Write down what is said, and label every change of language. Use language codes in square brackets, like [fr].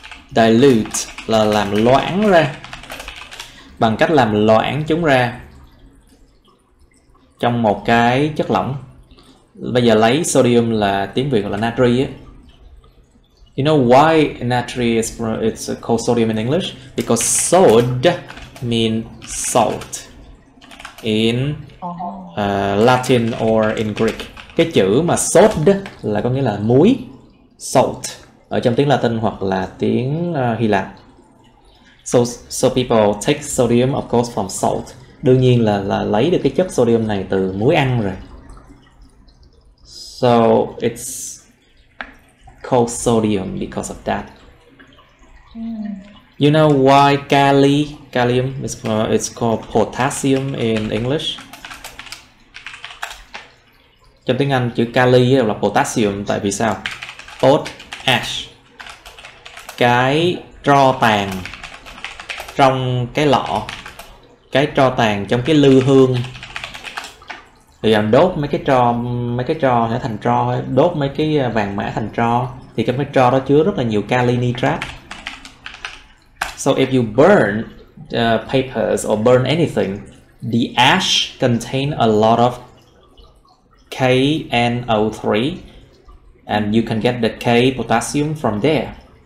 [vi] Dilute là làm loãng ra. Bằng cách làm loãng chúng ra trong một cái chất lỏng. Bây giờ lấy sodium là tiếng Việt là natri á. [en] You know why natri is it's called sodium in English? Because sod means salt in Latin or in Greek. [vi] Cái chữ mà sod là có nghĩa là muối, salt ở trong tiếng Latin hoặc là tiếng Hy Lạp. [en] So people take sodium of course from salt. [vi] Đương nhiên là lấy được cái chất sodium này từ muối ăn rồi. [en] So it's called sodium because of that. You know why kalium is it's called potassium in English. [vi] Trong tiếng Anh chữ kali là potassium, tại vì sao? Pot ash. Cái tro tàn trong cái lọ. Cái tro tàn trong cái lư hương. Thì làm đốt mấy cái tro sẽ thành tro, đốt mấy cái vàng mã thành tro, thì trong cái tro đó chứa rất là nhiều kali nitrate. [en] So if you burn papers or burn anything, the ash contain a lot of KNO3 and you can get the K potassium from there.